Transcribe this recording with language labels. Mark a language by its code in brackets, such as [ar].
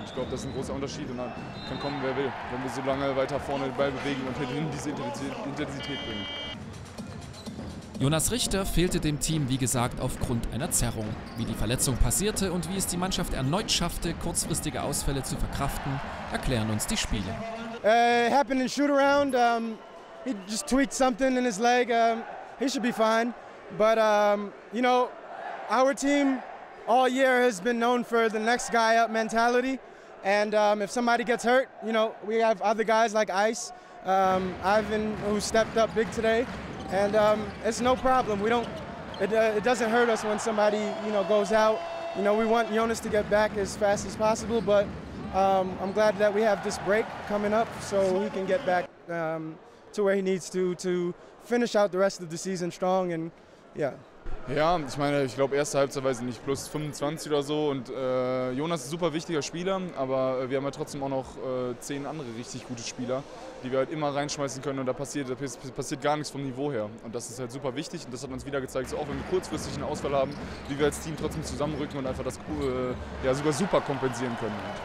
[de] Ich glaube, das ist ein großer Unterschied und dann kann kommen, wer will, wenn wir so lange weiter vorne den Ball bewegen und hinten diese Intensität bringen. Jonas Richter fehlte dem Team, wie gesagt, aufgrund einer Zerrung. Wie die Verletzung passierte und wie es die Mannschaft erneut schaffte, kurzfristige Ausfälle zu verkraften, erklären uns die Spiele. [en] It happened in shoot around. He just tweaked something in his leg. He should be fine. But, you know, our team all year has been known for the next guy up mentality. And if somebody gets hurt, you know, we have other guys like Ice, Ivan, who stepped up big today. And it's no problem. It doesn't hurt us when somebody, you know, goes out. You know, we want Jonas to get back as fast as possible, but I'm glad that we have this break coming up so he can get back to where he needs to finish out the rest of the season strong and yeah. [de] Ja, ich meine, ich glaube, erste Halbzeit weiß ich nicht, plus 25 oder so. Und Jonas ist ein super wichtiger Spieler, aber wir haben ja trotzdem auch noch 10 andere richtig gute Spieler, die wir halt immer reinschmeißen können. Und da passiert gar nichts vom Niveau her. Und das ist halt super wichtig. Und das hat uns wieder gezeigt, so auch wenn wir kurzfristig einen Ausfall haben, wie wir als Team trotzdem zusammenrücken und einfach das sogar super kompensieren können.